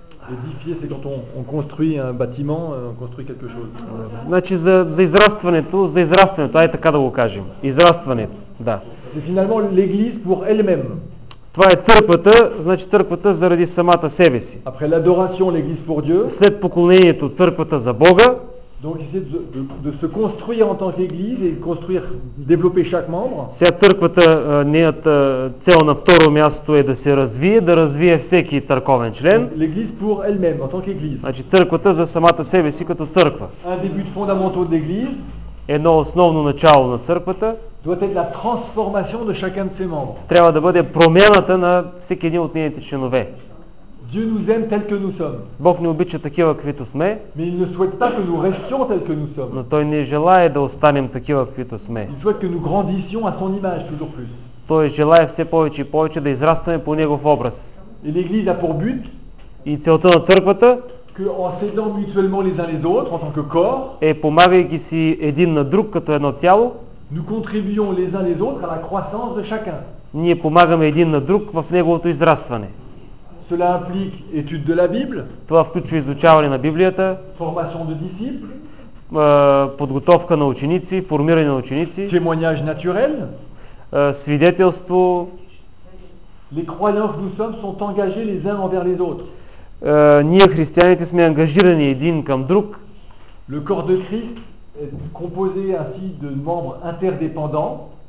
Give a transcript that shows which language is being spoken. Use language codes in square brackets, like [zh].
[fr] Édifier, c'est quand on construit un bâtiment, on construit quelque chose. [bg] Значи за израстването, за израстването, айде така да го кажем. Израстването, да. [fr] C'est finalement l'église pour elle-même. [bg] Това е църквата, значи църквата заради самата себе си. [fr] Après l'adoration, l'église pour Dieu. [bg] След поклонението, църквата за Бога. [fr] Donc essayer de se construire en tant qu'église et construire, développer chaque membre. [bg] Вся църквата неят цел на второ място е да се развие, да развие всеки църковен член. [fr] L'église pour elle-même en tant qu'église. [bg] Значи църквата за самата себе си като църква. [fr] Un début fondamental de l'église. [bg] Едно основно начало на църквата. [fr] Doit être la transformation de chacun de ses membres. [bg] Трябва да бъде промяната на всеки един от нейните членове. [fr] Dieu nous aime tel que nous sommes. [bg] Бог ни обича такива каквито сме. [fr] Mais il ne souhaite pas que nous restions tel que nous sommes. [bg] Но той не желае да останем такива каквито сме. [fr] Il souhaite que nous grandissions à son image toujours plus. [bg] Той желае все повече и повече да израстваме по негов образ. [fr] Et l'église a pour but [bg] и целта на църквата [fr] que en s'aidant mutuellement les uns les autres en tant que corps [bg] е помагайки си един на друг като едно тяло [fr] nous contribuons les uns les autres à la croissance de chacun. [bg] Ние помагаме един на друг в неговото израстване. [fr] Cela implique étude de la Bible. [bg] Това включва изучаване на Библията. [fr] Formation de disciples. [bg] Подготовка на ученици, формиране на ученици. [fr] Témoignage naturel. [bg] Свидетелство. [fr] Les croyants que nous sommes sont engagés les uns envers les autres. [bg] Ние християните сме ангажирани един към друг. [fr] Le corps de Christ est composé ainsi de membres interdépendants.